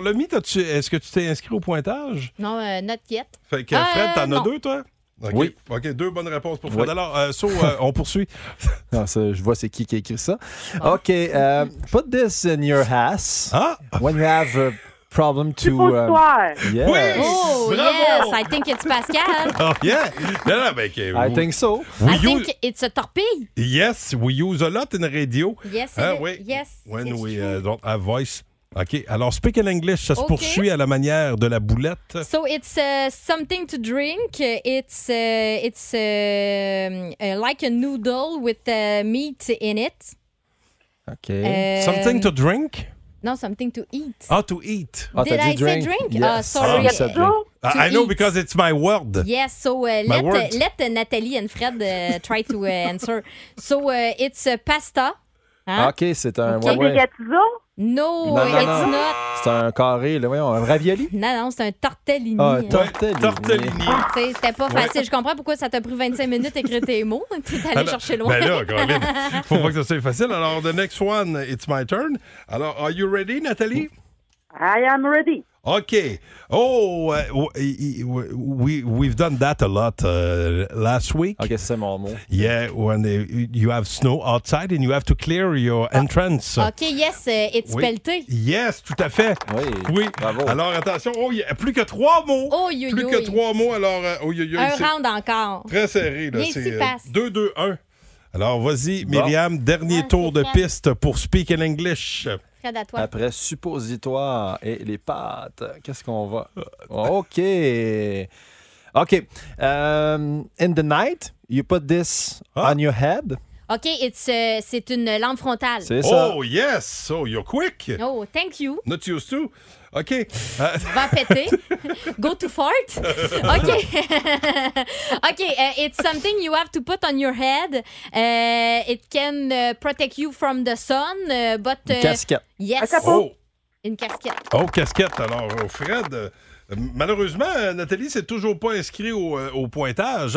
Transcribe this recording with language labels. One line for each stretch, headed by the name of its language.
French: Lomi, est-ce que tu t'es inscrit au pointage?
English: Non, not yet.
French: Fait que Fred, t'en as deux, toi? Okay. Oui. OK, deux bonnes réponses pour Fred. Oui. Alors, on poursuit. Non, ça, je vois c'est qui a écrit ça. Ah.
English: OK, put this in your ass when you have a problem to... Yes.
French: Oui! Oh, bravo.
English: Yes, I think it's Pascal. Oh, yeah.
French: Non, non, mais,
English: okay. I think so. We think it's a torpille. Yes, we use a lot in the radio. Yes,
French: hein, oui.
English: Yes. When we don't have voice. OK.
French: Alors, speak in English, ça se poursuit à la manière de la boulette.
English: So, it's something to drink. It's like a noodle with meat in it. OK. Something to drink? No, something to eat. Oh, to eat. Oh, did I drink? Say drink? Yes. Sorry. Oh, said drink. I know because it's my word. Yes. So, let Nathalie and Fred try to answer. So, it's pasta.
French: Hein? OK, c'est un... Okay. Ouais. Spaghetti? Non, c'est un carré, là, voyons, un ravioli. Non, c'est un tortellini. Ah, tortellini. Oh, c'était pas facile. Ouais. Je comprends pourquoi ça t'a pris 25 minutes d'écrire tes mots. T'es allé chercher loin. Ben là, quand même. Faut pas que ça soit facile. Alors,
English: the next one, it's my turn. Alors, are you ready, Nathalie? I am ready. OK. Oh, we've done that a lot last week.
French: OK, c'est mon mot.
English: Yeah, when you have snow outside and you have to clear your entrance. OK, yes, it's pelleté.
French: Yes, tout à fait. Oui. Bravo. Alors, attention, il n'y a plus que trois mots. Trois mots, alors... Un round encore. Très serré, là. C'est 2-2-1. Alors, vas-y, Myriam, dernier tour de piste pour Speak in English. Après suppositoire et les pâtes, qu'est-ce qu'on va? OK. OK.
English: In the night, you put this on your head.
French: OK, c'est une lampe frontale. C'est ça.
English: Oh, yes. Oh, you're quick. Oh, thank you. Not used to. OK.
French: Va péter.
English: Go to fart. OK. OK, it's something you have to put on your head. It can protect you from the sun, but...
French: casquette. Yes. Une casquette. Oh, casquette. Alors, Fred... malheureusement, Nathalie, c'est toujours pas inscrit au pointage.